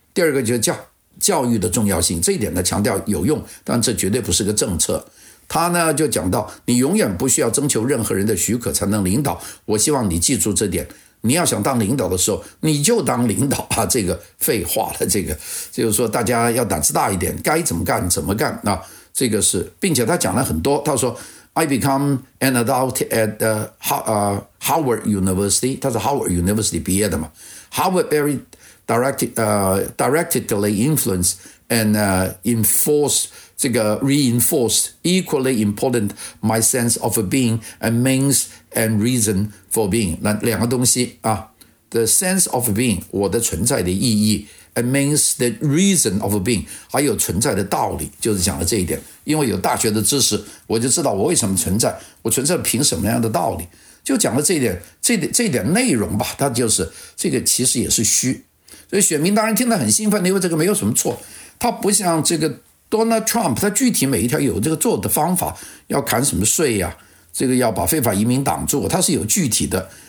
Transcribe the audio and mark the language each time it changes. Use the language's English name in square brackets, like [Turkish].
[Chinese] 第二个就是教育的重要性，这一点呢强调有用，但这绝对不是个政策。他呢就讲到，你永远不需要征求任何人的许可才能领导，我希望你记住这点，你要想当领导的时候你就当领导啊，这个废话了，这个就是说大家要胆子大一点，该怎么干怎么干啊。这个是，并且他讲了很多，他说 [English] I become an adult at the Howard University， [Chinese] 他是 Howard University 毕业的嘛。 [English] Howard very directly influenced and enforced 这个 reinforced equally important my sense of being a means and reason for being， [Chinese] 两个东西啊， [English] The sense of being [Chinese] 我的存在的意义 [English] and means the reason of being， [Chinese] 还有存在的道理，就是讲了这一点。因为有大学的知识，我就知道我为什么存在，我存在凭什么样的道理，就讲了这一点。这一点内容吧，它就是这个其实也是虚。所以选民当然听得很兴奋，因为这个没有什么错，他不像这个 Donald Trump， 他具体每一条有这个做的方法，要砍什么税呀、啊，这个要把非法移民挡住，他是有具体的。